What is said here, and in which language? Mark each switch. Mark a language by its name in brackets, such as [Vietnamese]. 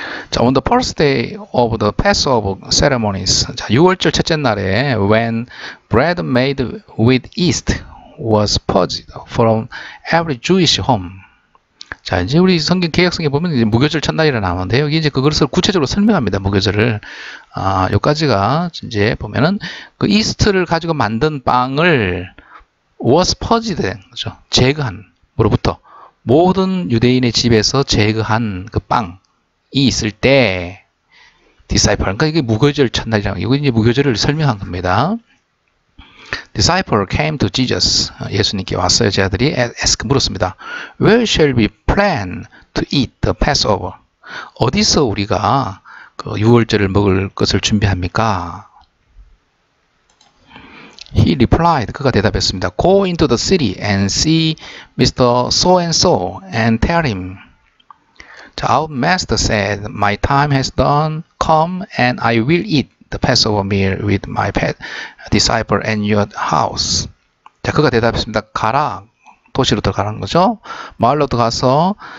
[English] 자, on the first day of the Passover ceremonies, 자, [Korean] 유월절 첫째 날에 [English] when bread made with yeast was purged from every Jewish home. [Korean] 자, 이제 우리 성경 개역성에 보면 이제 무교절 첫날이라 나오는데 여기 이제 그것을 구체적으로 설명합니다. 무교절을 여기까지가 이제 보면은 그 이스트를 가지고 만든 빵을 [English] was purged [Korean] 그죠? 제거한 으로부터 모든 유대인의 집에서 제거한 그 빵이 있을 때 디사이퍼 그러니까 이게 무교절 첫날이라고 이거 이제 무교절을 설명한 겁니다. [English] Disciple came to Jesus. [Korean] 예수님께 왔어요. 제자들이 [English] ask [Korean] 물었습니다. [English] Where shall we plan to eat the Passover? [Korean] 어디서 우리가 그 유월절을 먹을 것을 준비합니까? [English] He replied, [Korean] 그가 대답했습니다. [English] Go into the city and see Mr. So and so and tell him. Our master said, My time has done come and I will eat the Passover meal with my disciple and your house. [Korean] 자, 그가 대답했습니다. 가라. 도시로 들어가는 거죠. 마을로 들어가서,